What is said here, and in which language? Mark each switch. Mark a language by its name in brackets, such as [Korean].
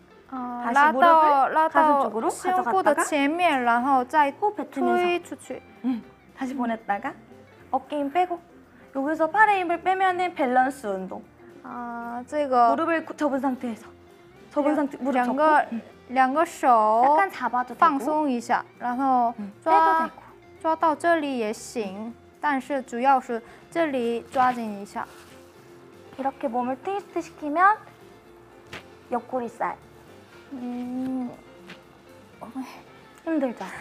[Korean] 다시 무릎을 가슴 쪽으로 가져갔다가 [Chinese] 然后再 [Korean] 호 뱉으면서 다시 보냈다가 어깨 힘 빼고 여기서 팔의 힘을 빼면은 밸런스 운동 [Chinese] 아,这个 [Korean] 무릎을 접은 상태에서 접은 상태 무릎 접고 [Chinese] 两个手 [Korean] 약간 잡아도 되고 [Chinese] 放松一下然后 [Korean] 빼도 되고 [Chinese] 抓到这里也行 但是主要是这里抓紧一下 [Korean] 이렇게 몸을 트위스트 시키면 옆구리살 힘들죠?